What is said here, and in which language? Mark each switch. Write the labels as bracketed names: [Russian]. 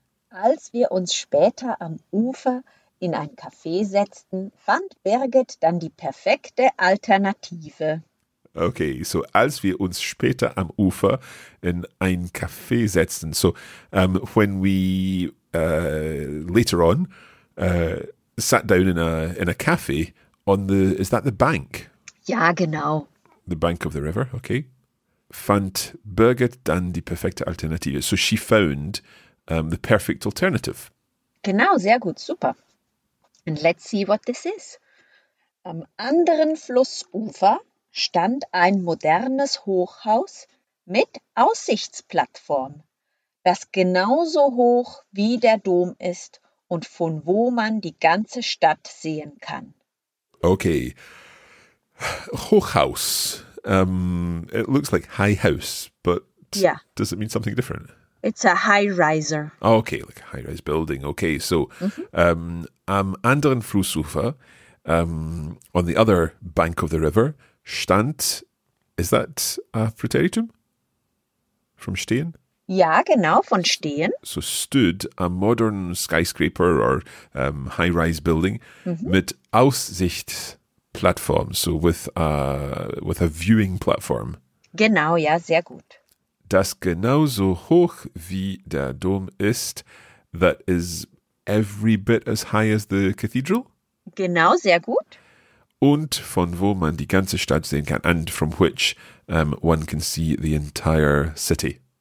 [German] Als wir uns später am Ufer in ein Café setzten, fand Birgit dann die perfekte Alternative. [English] Okay, so [German] als wir uns später am Ufer in ein Café setzten. [English] So when we later on sat down in a café on the, is that the bank? [German] Ja, genau. [English] The bank of the river, okay. [German] Fand Birgit dann die perfekte Alternative. [English] So she found the perfect alternative. [German] Genau, sehr gut, super. [English] And let's see what this is. [German] Am anderen Flussufer stand ein modernes Hochhaus mit Aussichtsplattform, das genauso hoch wie der Dom ist und von wo man die ganze Stadt sehen kann. [English] Okay, Hochhaus. It looks like high house, but yeah. Does it mean something different? It's a high-riser. Oh, okay, like a high-rise building. Okay, so mm-hmm. [German] Am anderen Flussufer, [English] on the other bank of the river, stand, is that a preteritum? From stehen? [German] Ja, genau, von stehen. [English] So stood a modern skyscraper or high-rise building mm-hmm. [German] mit Aussichtsplattform, [English] so with a viewing platform. [German] Genau, ja, sehr gut. Das genauso hoch wie der Dom ist, [English] that is every bit as high as the cathedral. [German] Genau, sehr gut. Und von wo man die ganze Stadt sehen kann, [English] and from which one can see the entire city.